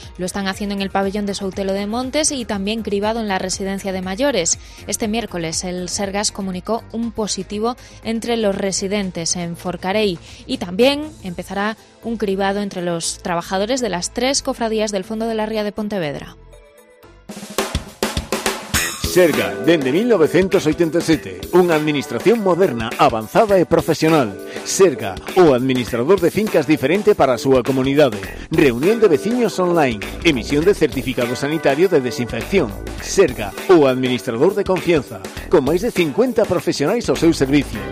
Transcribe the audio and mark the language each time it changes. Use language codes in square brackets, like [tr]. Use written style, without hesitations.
[es] Lo están haciendo en el pabellón de Soutelo de Montes y también cribado en la residencia de mayores. Este miércoles el Sergas comunicó un positivo entre los residentes en Forcarei. Y también empezará un cribado entre los trabajadores de las tres cofradías del fondo de la ría de Pontevedra. [gl] Serga, dende 1987, unha administración moderna, avanzada e profesional. Serga, o administrador de fincas diferente para a súa comunidade. Reunión de veciños online, emisión de certificado sanitario de desinfección. Serga, o administrador de confianza, con máis de 50 profesionais ao seu servicio.